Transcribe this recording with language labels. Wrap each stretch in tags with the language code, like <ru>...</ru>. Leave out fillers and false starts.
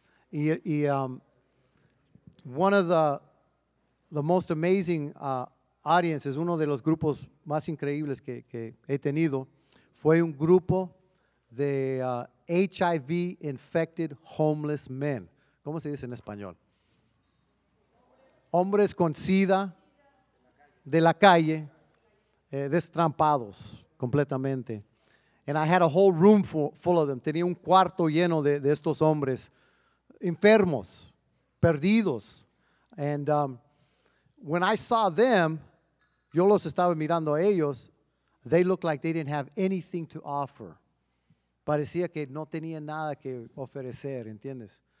<en>One of the most amazing audiences,</en> <es>uno de los grupos más increíbles que he tenido, fue un grupo de</es> <en>HIV-infected homeless men.</en> <es>¿Cómo se dice en español? Hombres con SIDA de la calle, destrampados completamente.</es> <en>And I had a whole room full of them.</en> <es>Tenía un cuarto lleno de estos hombres, enfermos, perdidos.</es> <en>And when I saw them,</en> <es>yo los estaba mirando a ellos,</es> <en>they looked like they didn't have anything to offer.</en> <es>Parecía que no tenía nada que ofrecer, ¿entiendes?</es>